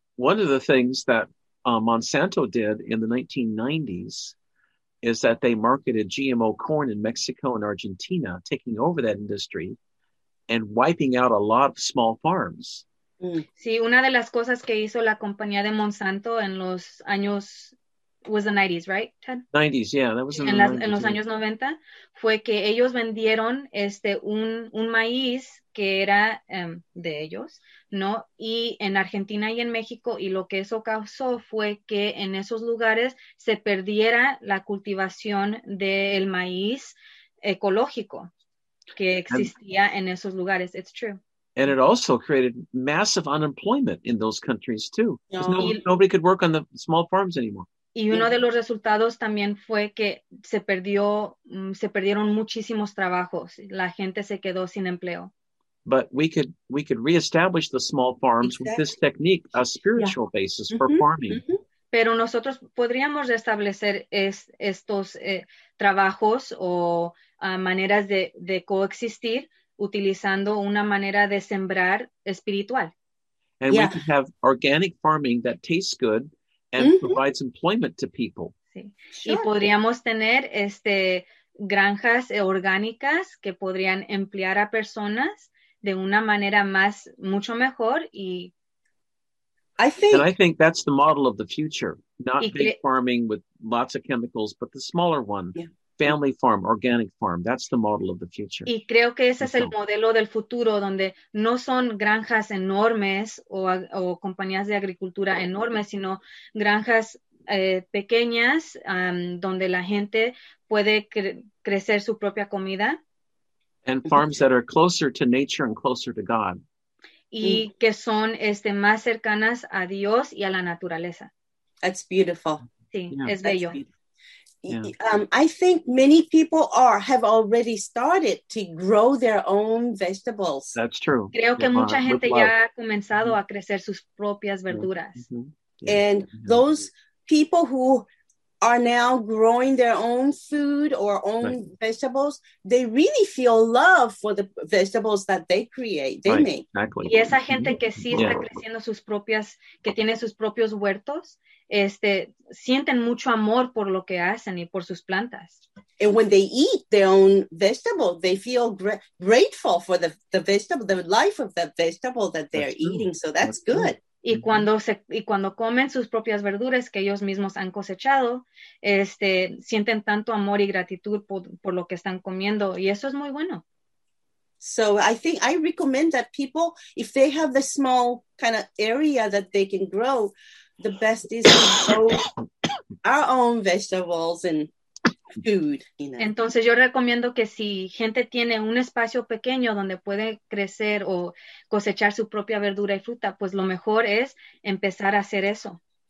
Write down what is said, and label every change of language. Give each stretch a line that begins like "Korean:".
English: One of the things that Monsanto did in the 1990s is that they marketed GMO corn in Mexico and Argentina, taking over that industry and wiping out a lot of small farms.
Spanish: Sí, una de las cosas que hizo la compañía de Monsanto en los años,
English: was the 90s, right, Ted? 90s, yeah, that was in
Spanish: en las,
English: 90s.
Spanish: En los
English: yeah.
Spanish: años 90, fue que ellos vendieron este un maíz que era de ellos, ¿no? Y en Argentina y en México, y lo que eso causó fue que en esos lugares se perdiera la cultivación del maíz ecológico que existía en esos lugares.
English: It's true. And it also created massive unemployment in those countries too. Because nobody could work on the small farms anymore.
Spanish: Y uno de los resultados también fue que se perdieron muchísimos trabajos. La gente se quedó sin empleo.
English: But we could reestablish the small farms Exactly. with this technique, a spiritual Yeah. basis for farming. Mm-hmm.
Spanish: Pero nosotros podríamos restablecer estos trabajos o maneras de coexistir. Utilizando una manera de sembrar espiritual.
English: And yeah. we could have organic farming that tastes good and mm-hmm. provides employment to people.
Spanish: Sí.
English: Sure.
Spanish: Y podríamos tener este granjas orgánicas que podrían emplear a personas de una manera más mucho mejor y
English: I think that's the model of the future, not big farming with lots of chemicals, but the smaller one. Yeah. Family farm, organic farm, that's the model of the future.
Spanish: Y creo que ese es el modelo del futuro, donde no son granjas enormes o compañías de agricultura enormes, sino granjas pequeñas donde la gente puede crecer su propia comida.
English: And farms that are closer to nature and closer to God.
Spanish: Y que son este, más cercanas a Dios y a la naturaleza.
English: That's beautiful.
Spanish: Sí,
English: yeah,
Spanish: es bello.
English: Yeah. I think many people have already started to grow their own vegetables. That's true.
Spanish: Creo
English: yeah,
Spanish: que mucha gente ya ha comenzado mm-hmm. a crecer sus propias verduras.
English: Mm-hmm. Yeah. And yeah. those people who are now growing their own food or own right. vegetables, they really feel love for the vegetables that they create, they right. make. Exactly.
Spanish: Y esa gente que sí
English: yeah.
Spanish: está creciendo sus propias, que tiene sus propios huertos, este, sienten mucho amor por lo que hacen y por sus plantas.
English: And when they eat their own vegetable, they feel grateful for the vegetable, the life of the vegetable that they're that's eating. True. So that's true. Good.
Spanish: Y cuando comen sus propias verduras que ellos mismos han cosechado, este, sienten tanto amor y gratitud por lo que están comiendo. Y eso es muy bueno.
English: So I think I recommend that people, if they have the small kind of area that they can grow, the best is to grow our own vegetables and food. You know?
Spanish: Entonces yo recomiendo que si gente tiene un espacio pequeño donde puede crecer o cosechar su propia verdura y fruta, pues lo mejor es empezar a hacer eso.